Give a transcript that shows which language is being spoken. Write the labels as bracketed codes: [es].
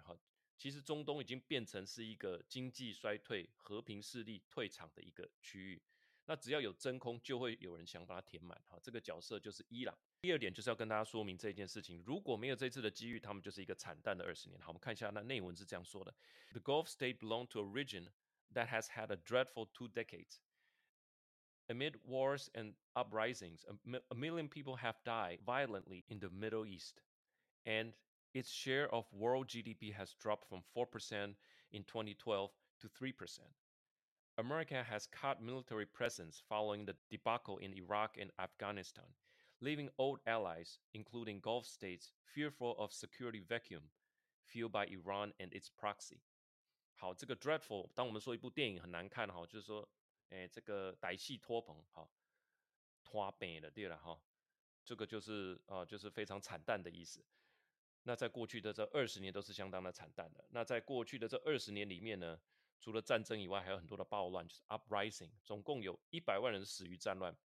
[zh] 好，其实中东已经变成是一个经济衰退和平势力退场的一个区域，那只要有真空就会有人想把它填满。好，这个角色就是伊朗。第二点就是要跟大家说明这件事情，如果没有这次的机遇，他们就是一个惨淡的20年。好，我们看一下那内文是这样说的， [en] The Gulf State belonged to a region that has had a dreadful two decades. Amid wars and uprisings, a million people have died violently in the Middle East, and its share of world GDP has dropped from 4% in 2012 to 3%. America has cut military presence following the debacle in Iraq and Afghanistan. Leaving old allies, including Gulf states, fearful of security vacuum fueled by Iran and its proxy. [zh] 好，这个 dreadful， 当我们说一部电影很难看，就是说这个歹戏拖棚，拖棚的，对了，这个就是非常惨淡的意思。那在过去的这20年都是相当的惨淡的。那在过去的这20年里面呢，除了战争以外还有很多的暴乱，就是 uprising， 总共有100万人死于战乱。